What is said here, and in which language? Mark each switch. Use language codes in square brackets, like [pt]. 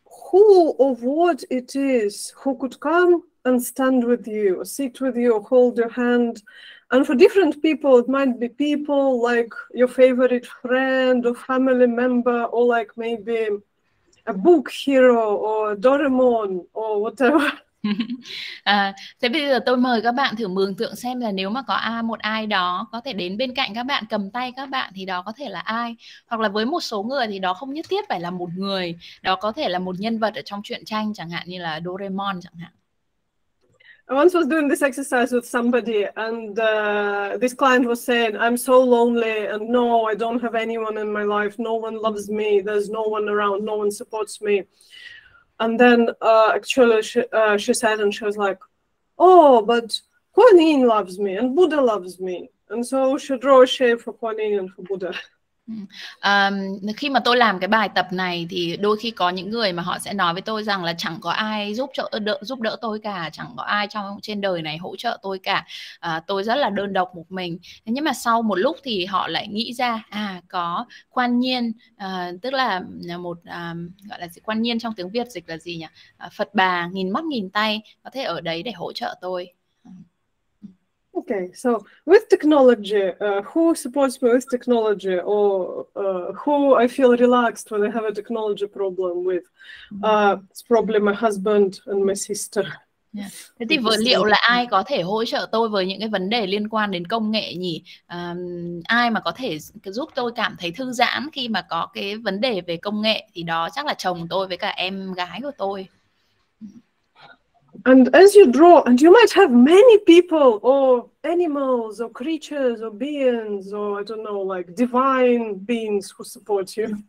[en] who or what it is who could come and stand with you, or sit with you, or hold your hand. And for different people, it might be people like your favorite friend or family member, or like maybe a book hero or a Doraemon or whatever. [vi] Thế bây giờ tôi mời các bạn thử mường tượng xem là nếu mà có một ai đó có thể đến bên cạnh các bạn, cầm tay các bạn thì đó có thể là ai. Hoặc là với một số người thì đó không nhất thiết phải là một người, đó có thể là một nhân vật ở trong truyện tranh chẳng hạn, như là Doraemon chẳng hạn. [en] I once was doing this exercise with somebody and this client was saying, I'm so lonely and no, I don't have anyone in my life, no one loves me, there's no one around, no one supports me. And then actually she said, and she was like, oh, but Kuan Yin loves me and Buddha loves me. And so she drew a shape for Kuan Yin and for Buddha. [vi] Khi mà tôi làm cái bài tập này thì đôi khi có những người mà họ sẽ nói với tôi rằng là chẳng có ai giúp đỡ tôi cả, chẳng có ai trên đời này hỗ trợ tôi cả, tôi rất là đơn độc một mình. Nhưng mà sau một lúc thì họ lại nghĩ ra có Quan Nhiên, tức là một gọi là gì, Quan Nhiên trong tiếng Việt dịch là gì nhỉ, Phật Bà nghìn mắt nghìn tay có thể ở đấy để hỗ trợ tôi. [en] Okay, so with technology, who supports me with technology, or who I feel relaxed when I have a technology problem with? It's probably my husband and my sister. [vi] Yeah. Thế thì vợ liệu là ai có thể hỗ trợ tôi với những cái vấn đề liên quan đến công nghệ nhỉ? Ai mà có thể giúp tôi cảm thấy thư giãn khi mà có cái vấn đề về công nghệ thì đó chắc là chồng tôi với cả em gái của tôi. [en] And as you draw, and you might have many people or animals or creatures or beings or I don't know, like divine beings who support you.